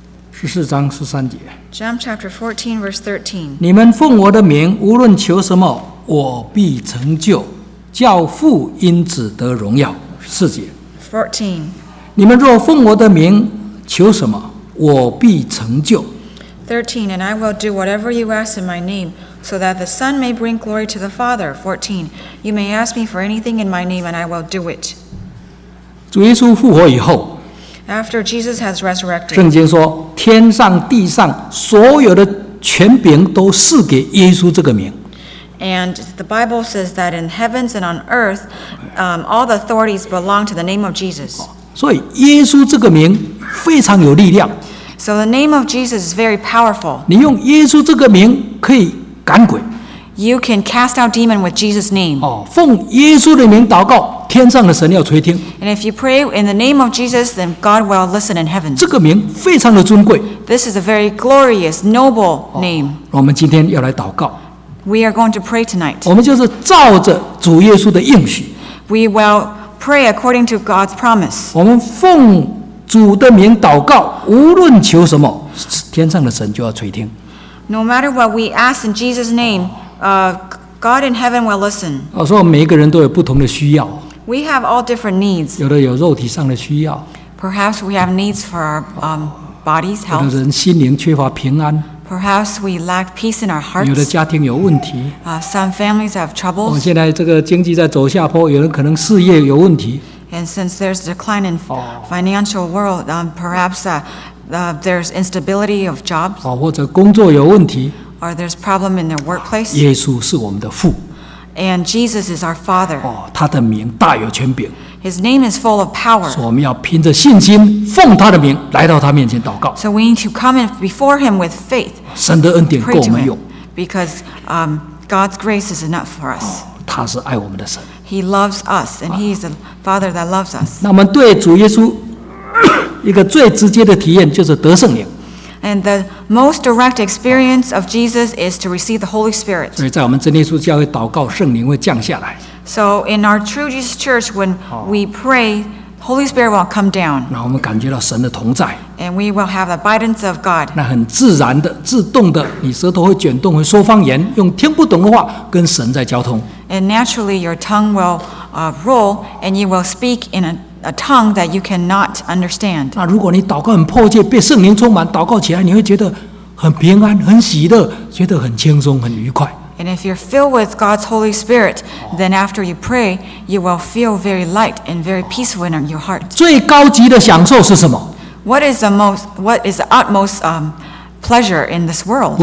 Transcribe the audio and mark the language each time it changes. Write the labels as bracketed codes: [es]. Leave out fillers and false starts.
[zh] 十四章十三节 [en] Jump chapter 14 verse 13 [zh] 你们奉我的名无论求什么我必成就叫父因此得荣耀四节 14 你们若奉我的名求什么我必成就 [en] 13 And I will do whatever you ask in my name so that the Son may bring glory to the Father 14 You may ask me for anything in my name and I will do it [zh] 主耶稣复活以后 [en] After Jesus has resurrected, [zh] 圣经说天上地上所有的权柄都赐给耶稣这个名 [en] And the Bible says that in heavens and on earth, all the authorities belong to the name of Jesus. [zh] 所以耶稣这个名非常有力量 [en] So the name of Jesus is very powerful. [zh] 你用耶稣这个名可以赶鬼 [en] You can cast out demon with Jesus' name. [zh] 奉耶稣的名祷告天上的神要垂听。 [en] And if you pray in the name of Jesus, then God will listen in heaven. [zh] 这个名非常的尊贵。 [en] This is a very glorious, noble name. [zh] 我们今天要来祷告。 [en] We are going to pray tonight. [zh] 我们就是照着主耶稣的应许。 [en] We will pray according to God's promise. [zh] 我们奉主的名祷告，无论求什么，天上的神就要垂听。 [en] No matter what we ask in Jesus' name, God in heaven will listen. [zh] 所以每一个人都有不同的需要。 [en] We have all different needs. [zh] 有的有肉体上的需要。 [en] Perhaps we have needs for our body's health. [zh] 有的人心灵缺乏平安。 [en] Perhaps we lack peace in our hearts. [zh] 有的家庭有问题。 [en] Some families have troubles. [zh] 现在这个经济在走下坡，有人可能事业有问题。 [en] And since there's decline in financial world, perhaps there's instability of jobs. [zh] 或者工作有问题。 [en] Or there's problem in their workplace. [zh] 耶稣是我们的父。 [en] And Jesus is our Father. [zh] 他的名大有权柄。 [en] His name is full of power. [zh] 所以我们要凭着信心，奉他的名来到他面前祷告。 [en] So we need to come before him with faith. [zh] 神的恩典够我们用。 [en] Because God's grace is enough for us. [zh] 他是爱我们的神。 [en] He loves us, and he is the Father that loves us. [zh] 那我们对主耶稣一个最直接的体验就是得圣灵。 [en] And the most direct experience of Jesus is to receive the Holy Spirit. [zh] 所以在我们真耶稣教会祷告，圣灵会降下来。 [en] So in our True Jesus Church, when we pray, Holy Spirit will come down. [zh] 那我们感觉到神的同在。 [en] And we will have the abundance of God. [zh] 那很自然的、自动的，你舌头会卷动，会说方言，用听不懂的话跟神在交通。 [en] And naturally, your tongue will roll, and you will speak in a tongue that you cannot understand. [zh] 那如果你祷告很迫切，被圣灵充满，祷告起来，你会觉得很平安、很喜乐，觉得很轻松、很愉快。 [en] And if you're filled with God's Holy Spirit, then after you pray, you will feel very light and very peaceful in your heart. [zh] 最高级的享受是什么 [en] What is the utmost pleasure in this world?